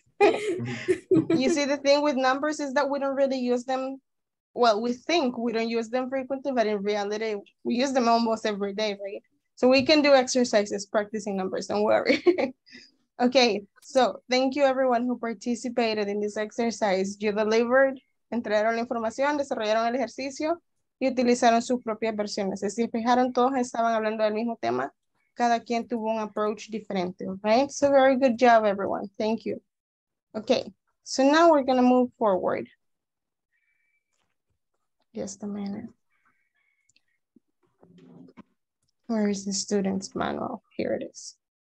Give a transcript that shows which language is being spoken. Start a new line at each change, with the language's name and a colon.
English: You see, the thing with numbers is that we don't really use them. Well, we think we don't use them frequently, but in reality, we use them almost every day, right? So we can do exercises practicing numbers. Don't worry. Okay, so thank you, everyone who participated in this exercise. You delivered.
Spanish: Entregaron la información, desarrollaron el ejercicio y utilizaron sus propias versiones. Si se fijaron, todos estaban hablando del mismo tema. Cada quien tuvo un approach diferente,
English: right? So very good job, everyone. Thank you. Okay, so now we're going to move forward. Just a minute. Where is the student's manual? Here it is.